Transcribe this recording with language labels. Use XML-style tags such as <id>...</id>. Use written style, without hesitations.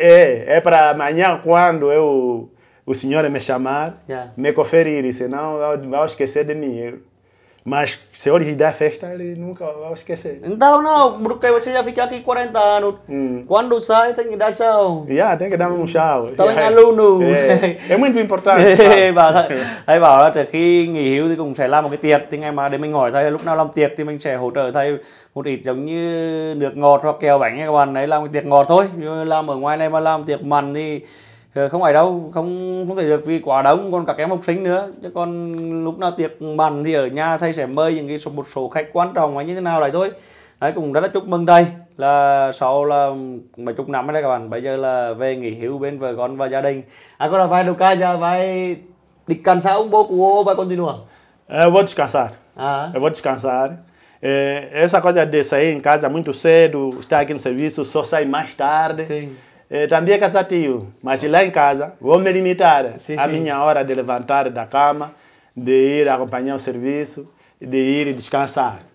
<pt>É para amanhã, quando eu o senhor me chamar, yeah, me conferir, senão vai esquecer de mim. Mas se eu lhe der festa, ele nunca vai esquecer. Então não, porque você já fica aqui 40 anos. Quando sai, tem que dar tchau. Yeah, tem que dar um tchau. Também yeah, aluno. É muito importante.</pt> <vi>Thầy bảo là từ khi nghỉ hưu thì cũng sẽ làm một cái tiệc. Thì ngày mà để mình hỏi thầy lúc nào làm tiệc thì mình sẽ hỗ trợ thầy một ít giống như nước ngọt hoặc kẹo bánh. Các bạn ấy làm cái tiệc ngọt thôi. Nhưng làm ở ngoài này mà làm tiệc mặn thì không phải đâu, không thể được vì quá đông, còn các em học sinh nữa. Chứ còn lúc nào tiệc mặn thì ở nhà thầy sẽ mời những cái một số khách quan trọng hay như thế nào đấy thôi. Đấy, cũng rất là chúc mừng thầy là sau là mấy chục năm đấy các bạn, bây giờ là về nghỉ hưu bên vợ con và gia đình. À, còn là vài lúc cao giờ vài địch cản xa ông bố của ông và con đi nữa.</vi> <pt>Eu vou descansar. Essa coisa de sair em casa muito cedo, estar aqui no serviço, só sair mais tarde. Sim. Também é cansativo, mas lá em casa vou me limitar à minha hora de levantar da cama, de ir acompanhar o serviço, de ir descansar.</pt>